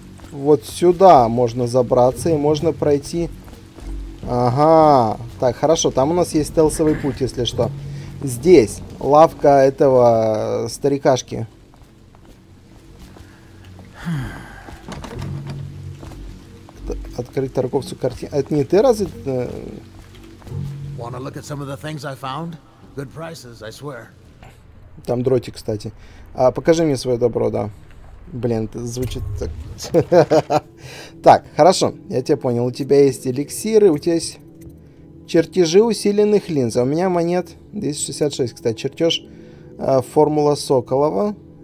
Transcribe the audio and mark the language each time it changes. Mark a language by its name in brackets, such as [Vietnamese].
[Russian] Вот сюда можно забраться и можно пройти. Ага. Так, хорошо. Там у нас есть стелсовый путь, если что. Здесь лавка этого старикашки. Открыть торговцу картину. Это не ты разве? [English] Wanna look at some of the things I found? Good prices, I swear. [Russian] Там дротик, кстати. А, покажи мне свое добро, да. Блин, это звучит так. Так, хорошо, я тебя понял. У тебя есть эликсиры, у тебя есть чертежи усиленных линз. А у меня монет 266, кстати, чертеж формула Соколова.